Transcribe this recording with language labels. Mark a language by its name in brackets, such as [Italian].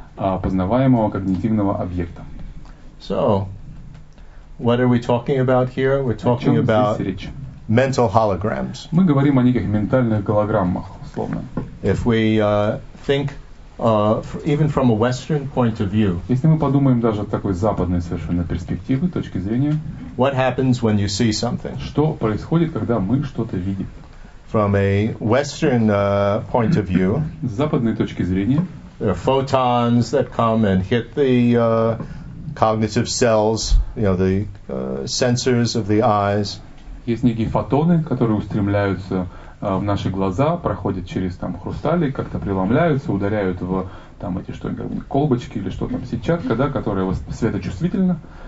[Russian] Познаваемого когнитивного объекта. [English] So, what are we talking about here? We're talking about mental holograms. [Russian] Мы говорим о неких ментальных голограммах, условно. [English] If we think even from a Western point of view. [Russian] Если мы подумаем даже такой западной совершенно перспективы, точки зрения. [English] What happens when you see something? [Russian] Что происходит, когда мы что-то видим? [English] From a Western point of view. [Russian] С западной точки зрения. [English] There are photons that come and hit the cognitive cells, you know, the sensors of the eyes. [Russian] Есть некие фотоны, которые устремляются в наши глаза, проходят через там хрусталик, как-то преломляются, ударяют в там эти что-нибудь колбочки или что там, сетчатка, да, которая светочувствительна.